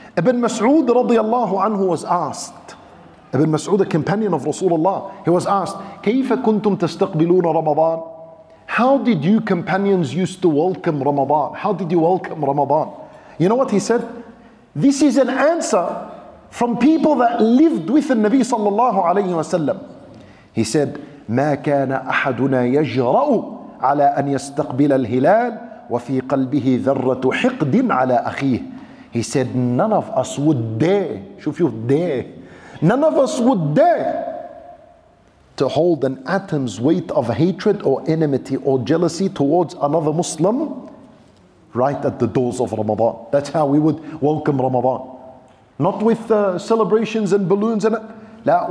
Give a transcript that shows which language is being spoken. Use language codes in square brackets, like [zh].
[en] Ibn Mas'ud radiallahu anhu was asked, Ibn Mas'ud, a companion of Rasulullah, he was asked, [ar] كَيْفَ كُنْتُمْ تَسْتَقْبِلُونَ رَمَضَانَ? [en] How did you companions used to welcome Ramadan? How did you welcome Ramadan? You know what he said? This is an answer from people that lived with the Nabi sallallahu alayhi wa sallam. He said, [ar] مَا كَانَ أَحَدُنَا يَجْرَأُ عَلَىٰ أَنْ يَسْتَقْبِلَ الْهِلَالِ وَفِي قَلْبِهِ ذَرَّةُ حِقْدٍ عَلَىٰ أَخِيهِ. [en] He said, none of us would dare, [ar] شوف [en] You dare, none of us would dare to hold an atom's weight of hatred or enmity or jealousy towards another Muslim right at the doors of Ramadan. That's how we would welcome Ramadan. Not with celebrations and balloons and that.